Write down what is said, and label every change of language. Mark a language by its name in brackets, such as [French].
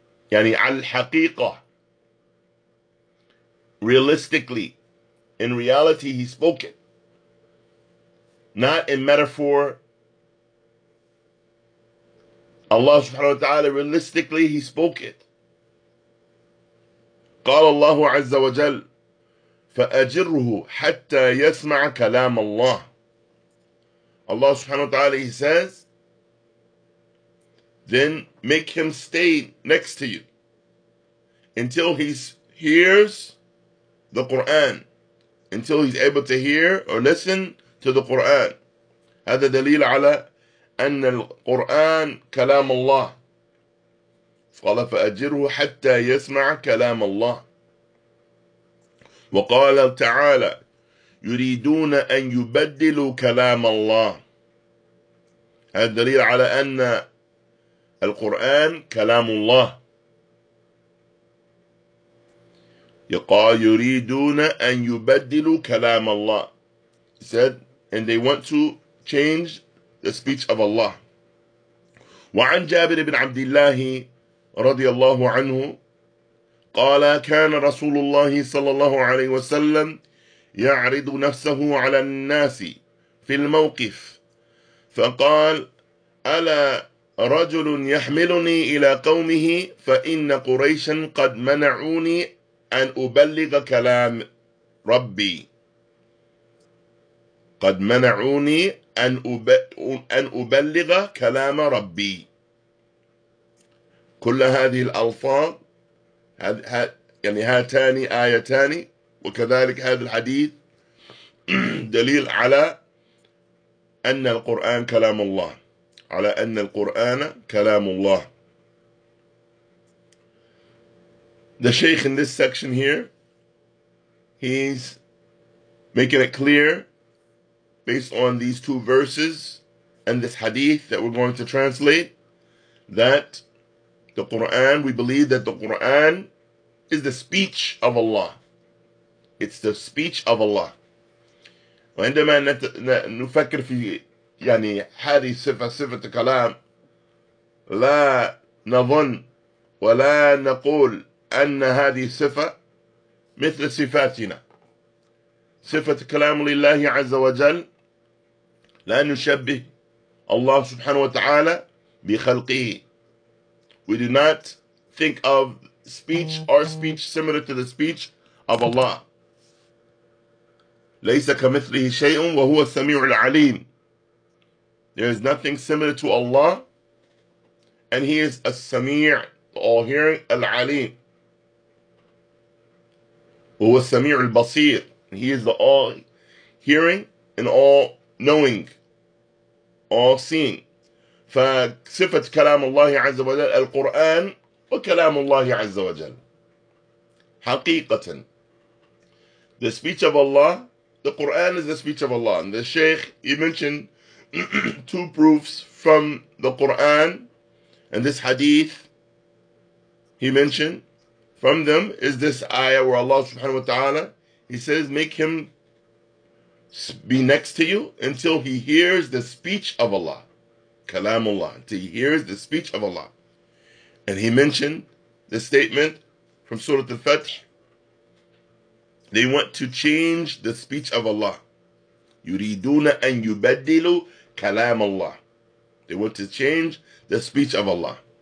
[Arabic] Yani al-haqiqa. [English] Realistically, in reality, He spoke it. Not in metaphor. Allah subhanahu wa ta'ala, realistically, He spoke it. [Arabic] قال الله عز وجل فأجره حتى يسمع كلام الله. [English] Allah subhanahu wa ta'ala, He says, then make him stay next to you until he hears the Qur'an, until he's able to hear or listen to the Qur'an. [Arabic] هذا دليل على أن القرآن كلام الله. قال فأجره حتى يسمع كلام الله. وقال تعالى يريدون أن يبدلوا كلام الله. هذا دليل على أن القرآن كلام الله. يقال يريدون أن يبدلوا كلام الله. [English] He said, and they want to change the speech of Allah. [Arabic] وعن جابر بن عبد الله رضي الله عنه قال كان رسول الله صلى الله عليه وسلم يعرض نفسه على الناس في الموقف فقال ألا رجل يحملني إلى قومه فإن قريشا قد منعوني أن أبلغ كلام ربي قد منعوني أن أبلغ كلام ربي. كل هذه الألفاظ يعني هاتان آيتان وكذلك هذا الحديث دليل على أن القرآن كلام الله, على أن القرآن كلام الله. [English] The Sheikh in this section here, he's making it clear based on these two verses and this hadith that we're going to translate that the Quran, we believe that the Quran is the speech of Allah. It's the speech of Allah. [Arabic] وعندما نفكر في يعني هذه صفة صفة كلام لا نظن ولا نقول أن هذه صفة مثل صفاتنا. صفة كلام لله عز وجل لا نشبه الله سبحانه وتعالى بخلقه. [English] We do not think of speech or speech similar to the speech of Allah. [Arabic] ليس كمثله شيء وهو السميع العليم. [English] There is nothing similar to Allah and He is السميع, all hearing, العليم. [Arabic] وهو السميع البصير. [English] He is the all hearing and all knowing, all seeing. [Arabic] فصفة كلام الله عز وجل القرآن وكلام الله عز وجل حقيقة. [English] The speech of Allah, the Quran is the speech of Allah. And the Sheikh, he mentioned two proofs from the Quran and this hadith. He mentioned from them is this ayah where Allah subhanahu wa ta'ala, he says, make him be next to you until he hears the speech of Allah. [Arabic] كلام الله, [English] until he hears the speech of Allah. And he mentioned the statement from Surah Al-Fath. They want to change the speech of Allah. [Arabic] يريدون أن يبدلوا كلام الله. [English] They want to change the speech of Allah.